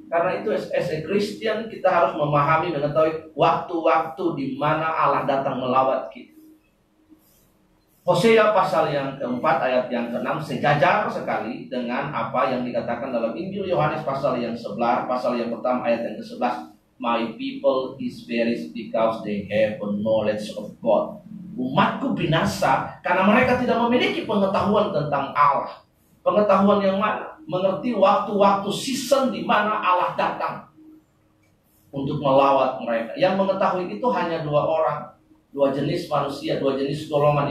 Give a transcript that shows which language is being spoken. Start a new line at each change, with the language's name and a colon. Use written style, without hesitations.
Indonesian: Karena itu
English: as a Christian
Indonesian: kita harus memahami, mengetahui waktu-waktu di mana Allah datang melawat kita. Hosea pasal yang keempat ayat yang keenam sejajar sekali dengan apa yang dikatakan dalam Injil Yohanes pasal yang sebelah, pasal yang pertama ayat yang ke-11.
English: My people is perish because they have a knowledge of God.
Indonesian: Umatku binasa karena mereka tidak memiliki pengetahuan tentang Allah. Pengetahuan yang mana? Mengerti waktu-waktu season di mana Allah datang untuk melawat mereka. Yang mengetahui itu hanya dua orang, dua jenis manusia, dua jenis golongan.